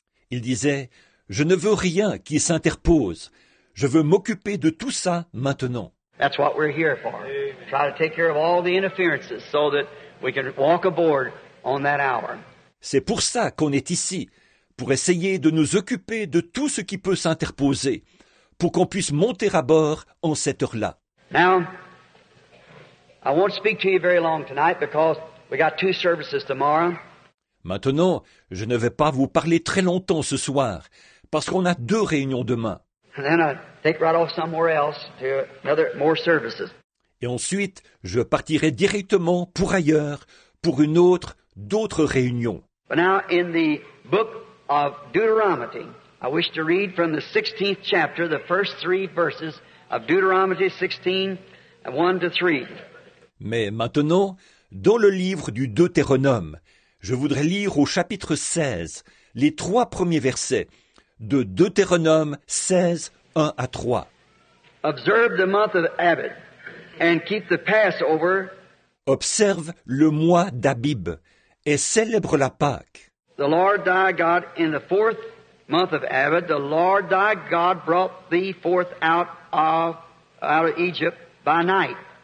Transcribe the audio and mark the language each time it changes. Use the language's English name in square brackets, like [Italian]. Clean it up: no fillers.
[French] Il disait, je ne veux rien qui s'interpose. Je veux m'occuper de tout ça maintenant. [English] That's what we're here for. Try to take care of all the interferences so that we can walk aboard on that hour. [French] C'est pour ça qu'on est ici, pour essayer de nous occuper de tout ce qui peut s'interposer, pour qu'on puisse monter à bord en cette heure-là. [English] Now, I won't speak to you very long tonight because we got two services tomorrow. [French] Maintenant, je ne vais pas vous parler très longtemps ce soir, parce qu'on a deux réunions demain. [English] Then I take right off somewhere else to another more services. [French] Et ensuite, je partirai directement pour ailleurs, pour une autre, d'autres réunions. [English] But now, in the book of Deuteronomy, I wish to read from the 16th chapter, the first three verses of Deuteronomy 16, 1 to 3. [French] Mais maintenant, dans le livre du Deutéronome, je voudrais lire au chapitre 16, les trois premiers versets, de Deutéronome 16, 1 à 3. [English] Observe the month of Abib and keep the Passover. [French] Observe le mois d'Abib et célèbre la Pâque. [English] The Lord thy God in the fourth month of Abib, the Lord thy God brought thee forth out of Egypt by night.